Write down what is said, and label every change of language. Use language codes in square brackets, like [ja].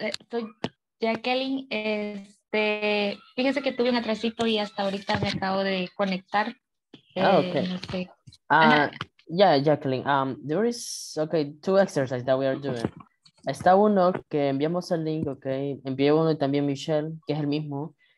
[es] Soy Jacqueline, fíjense que tuve un atrasito y hasta ahorita me acabo de conectar. [en] Okay. Yeah, Jacqueline, there is, okay, two exercises that we are doing. [es] Está uno que enviamos el link, okay, envié uno y también Michelle, que es el mismo.